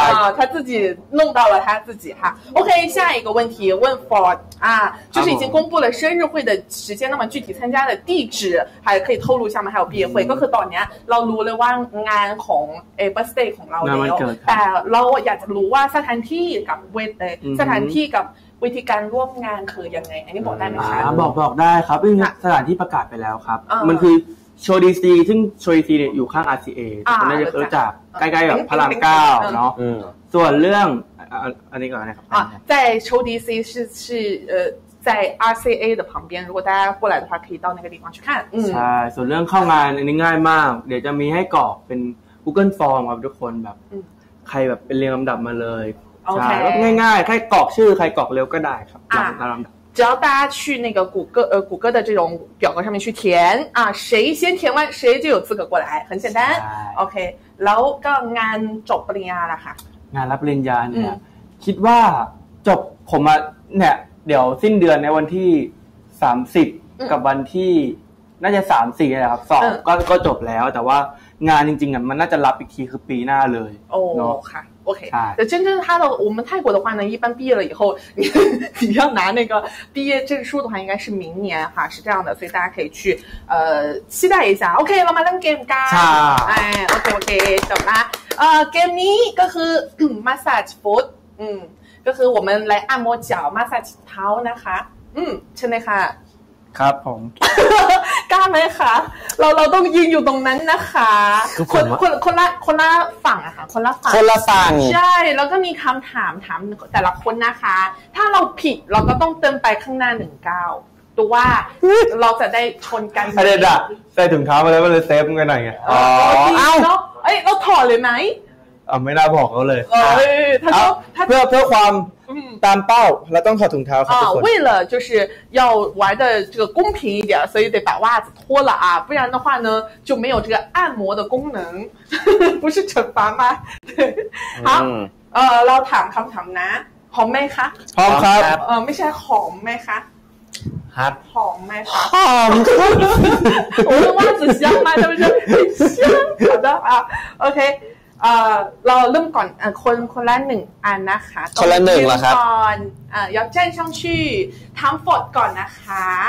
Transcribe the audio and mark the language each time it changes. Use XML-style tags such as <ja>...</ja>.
<zh>啊他自己弄到了他自己哈 OK 下一个问题问 Ford啊，就是已经公布了生日会的时间，那么具体参加的地址还可以透露一下吗？还有毕业会，</zh> <th>ก็คือตอนนี้เรารู้เลยว่างานของ birthday ของเราแล้วแต่เราอยากจะรู้ว่าสถานที่กับเวทสถานที่กับวิธีการร่วมงานคือยังไงอันนี้บอกได้ไหมคะ บอกได้ครับเป็นสถานที่ประกาศไปแล้วครับมัน คือโชดีซีซึ่งโชดีซีเนี่ยอยู่ข้าง RCA ผม น่าจะรู้จักใกล้ๆกับพระราม9เนาะส่วนเรื่องอันนี้ก่อนนะครับ อ๋อ</th> <zh>在抽 DC 是在 RCA 的旁边，如果大家过来的话可以到那个地方去看。</zh> <th>ใช่ส่วนเรื่องเข้างานอันนี้ง่ายมากเดี๋ยวจะมีให้กรอกเป็น Google Form ครับทุกคนแบบใครแบบเป็นเรียงลำดับมาเลยใช่ง่ายๆใครกรอกชื่อใครกรอกเร็วก็ได้ครับตามลำดับ</th> <zh>只要大家去那个谷歌谷歌的这种表格上面去填啊，谁先填完谁就有资格过来，很简单。</zh> <th>OK， แล้วก็งานจบปริญญาละค่ะ งานรับปริญญาเนี่ยคิดว่าจบผมอะเนี่ยเดี๋ยวสิ้นเดือนในวันที่30กับวันที่น่าจะ34นะครับสอบก็จบแล้วแต่ว่างานจริงๆอะมันน่าจะรับอีกทีคือปีหน้าเลย โอ้ค่ะ</th> <zh>OK， 真正他的我们泰国的话呢，一般毕业了以后，你要拿那个毕业证书的话，应该是明年哈，是这样的，所以大家可以去期待一下。OK， 妈妈能 game 噶？哎 ，OK OK， 懂啦。game 呢，就是 massage foot， 就是我们来按摩脚 ，massage 脚</zh> <th>นะคะ，ใช่ไหมคะ？ ครับผม กล้าไหมคะเราต้องยืนอยู่ตรงนั้นนะคะคนละฝั่งอะค่ะคนละฝั่งใช่แล้วก็มีคำถามแต่ละคนนะคะถ้าเราผิดเราก็ต้องเติมไปข้างหน้า19ตัวว่าเราจะได้ชนกัน ไม่ได้อะใส่ถุงเท้ามาแล้วก็เลยเซฟกันหน่อยไง เอาเอ้ยเราถอดเลยไหม ไม่ได้บอกเขาเลย เพื่อ ความตามเป้าแล้วต้องถอดถุงเท้าครับทุกคน</th> <zh>为了就是要玩的这个公平一点所以得把袜子脱了啊不然的话呢就没有这个按摩的功能不是惩罚吗好</zh> <th>เราถามคำถามนะหอมไหมคะ หอมครับ ไม่ใช่หอมไหมคะ ครับ หอมไหมค ะหอม ครับ</th> <zh>我的袜子香吗是不是很香好的啊 OK</zh> <th>เราเริ่มก่อนคนละหนึ่งอันนะคะ คนละหนึ่งเหรอครับ ตอนยอดแจ้งช่องชื่อถามฝนก่อนนะคะ</th>